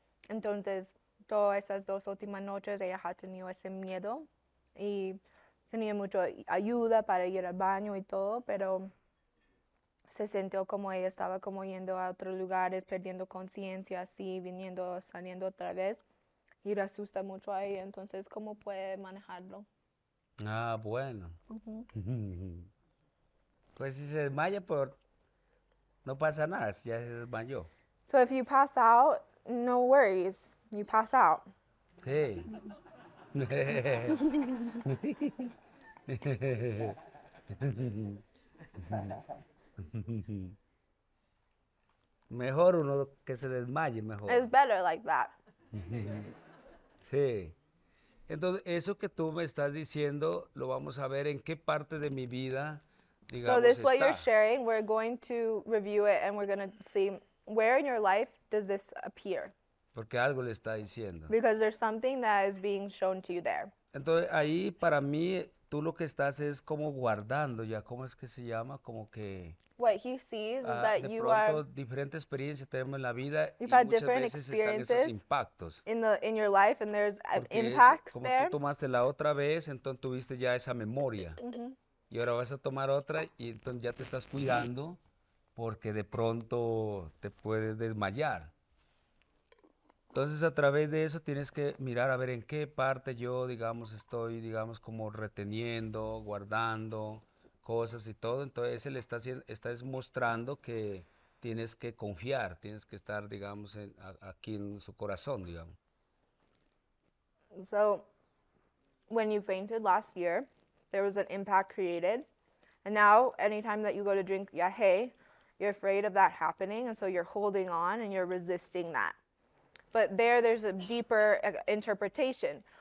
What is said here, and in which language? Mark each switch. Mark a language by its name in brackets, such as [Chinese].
[Spanish] Entonces, todas esas dos últimas noches ella ha tenido ese miedo y tenía mucha ayuda para ir al baño y todo, pero se sintió como ella estaba como yendo a otros lugares, perdiendo conciencia, así, viniendo, saliendo otra vez. Y le asusta mucho a ella. Entonces, ¿cómo puede manejarlo? Ah, bueno. Uh-huh. Pues si se desmaya, pues no pasa nada, si ya se desmayó. [English] So if you pass out, no worries, you pass out. Hey. [Spanish] Mejor uno que se desmaye mejor. [English] It's better like that. [Spanish] Sí. Entonces, eso que tú me estás diciendo, lo vamos a ver en qué parte de mi vida, digamos, está. [English] So this what you're sharing, we're going to review it and we're going to see where in your life does this appear. [Spanish] Porque algo le está diciendo. [English] Because there's something that is being shown to you there. [Spanish] Entonces, ahí para mí, tú lo que estás es como guardando ya, ¿cómo es que se llama? Como que... [English] What he sees is that you are... [Spanish] Diferentes experiencias tenemos en la vida, [English] you've had different experiences [Spanish] impactos. [English] In your life and there's impacts [Spanish] como [English] there. [Spanish] Como tú tomaste la otra vez, entonces tuviste ya esa memoria. Mm-hmm. Y ahora vas a tomar otra y entonces ya te estás cuidando porque de pronto te puedes desmayar. Entonces, a través de eso tienes que mirar a ver en qué parte yo, digamos, estoy, digamos, como reteniendo, guardando cosas y todo. Entonces, él está, está mostrando que tienes que confiar, tienes que estar, digamos, en, aquí en su corazón, digamos. [English] So, when you fainted last year, there was an impact created. And now, anytime that you go to drink yahe, you're afraid of that happening. And so, you're holding on and you're resisting that. But there's a deeper interpretation.